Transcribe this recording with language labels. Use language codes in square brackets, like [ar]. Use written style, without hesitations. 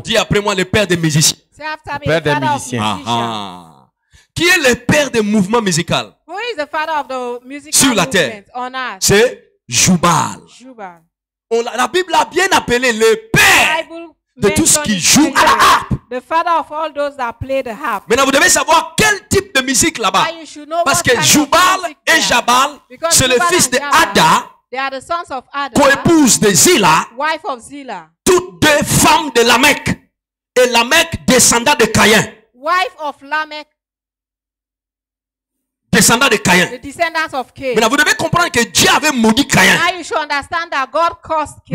[fr] Dis après moi le père des musiciens. Le père des musiciens. Qui est le père des mouvements musicaux? [en] Who is the father of the musical [fr] sur la terre? [en] On earth? [fr] C'est Jubal. [en] Jubal. [fr] La Bible a bien appelé le père de tous ceux qui jouent à la harpe. [en] The father of all those that play the harp. [fr] Maintenant, vous devez savoir quel type de musique là-bas. [en] And you should know [fr] parce [en] what [fr] que Jubal et Jabal, c'est le fils de Ada. [en] They are the sons of Ada. [fr] Co-épouse de Zila. [en] Wife of Zila. [fr] Toutes deux femmes de Lamech. Et Lamech descendant de Caïn. [en] Wife of Lamech. [fr] descendant de Caïn. [en] The descendants of Cain. [fr] Maintenant, vous devez comprendre que Dieu avait maudit Caïn. [en] Now you should understand that God cursed Cain.